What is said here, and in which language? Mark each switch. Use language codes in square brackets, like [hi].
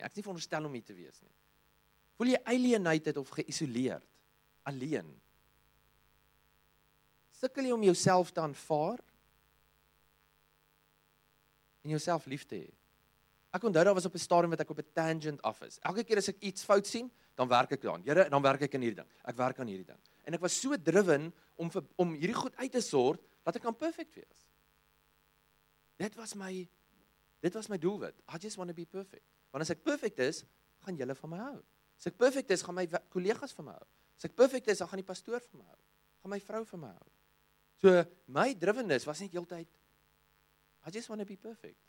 [af] Ek is nie veronderstel om hier te wees nie. Voel jy alienated of geïsoleerd? Alleen? Sukkel jy om jouself te aanvaar? En jouself lief te hê? Ek onthou daar was op 'n stadium wat ek op 'n tangent af is. Elke keer as ek iets fout sien, dan werk ek daaraan. Here, dan werk ek aan hierdie ding. Ek werk aan hierdie ding. En ek was so driven om hierdie goed uit te sort, dat ek kan perfect wees. Dit was my doelwit. [en] I just want to be perfect. [af] Want as ek perfect is, gaan julle van my hou. As ek perfect is, gaan my kollegas van my hou. As ek perfect is, dan gaan die pastoor van my hou. Gaan my vrou van my hou. So, my drivenis was nie heeltyd, [en] I just want to be perfect.